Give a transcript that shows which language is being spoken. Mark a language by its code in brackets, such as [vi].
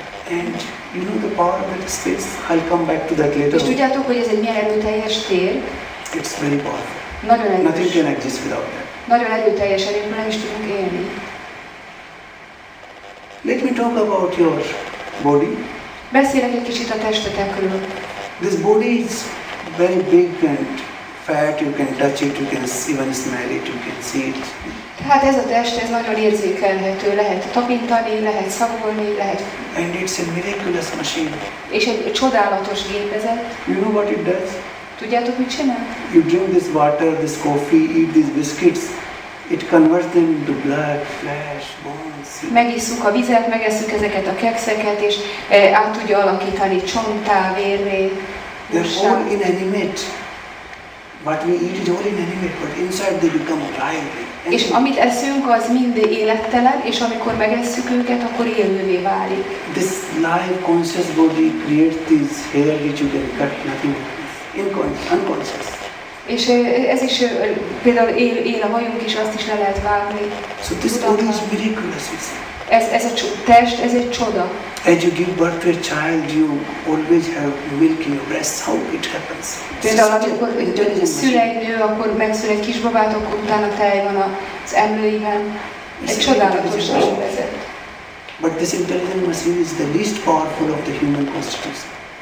[en] And you know the power of that space? I'll come back to that later. [hu] És tudjátok, hogy ez egy milyen erőteljes tér? [en] It's very powerful. [hu] Nagyon erős. [en] Nothing can exist without that. [hu] Nagyon erőteljes, erőből nem is tudunk élni. [en] Let me talk about your body. [hu] Beszélek egy kicsit a testetekről. [en] This body is very big and fat, you can touch it, you can even smell it, you can see it. [hu] Tehát ez a test, ez nagyon érzékelhető, lehet tapintani, lehet szagolni, lehet... [en] And it's a miraculous machine. [hu] És egy csodálatos gépezet. [en] You know what it does? [hu] Tudjátok, mit csinál? [en] You drink this water, this coffee, eat these biscuits, it converts them into blood, flesh, bones. [hu] Megisszuk a vizet, megesszük ezeket a kekszeket, és át tudja alakítani csonttá, vérré. [en] They're all inanimate. But we eat it all inanimate, but inside they become alive. [hu] És amit eszünk, az mind élettelen, és amikor megesszük őket, akkor élővé válik. [en] This live conscious body creates this hair which you can cut nothing. Unconscious. [hu] És ez is például él a hajunk is, azt is le lehet vágni. [en] So this body is miraculous. [hu] Ez a test, ez egy csoda. [en] As you give birth to a child, you always have milk in your breasts. How it happens? [hu] Például, amikor szülegnő, akkor megszül egy kisbabát, akkor utána tej van az emlőiben. Egy csodálatos dolog. [en] But this intelligent machine is the least powerful of the human constitution.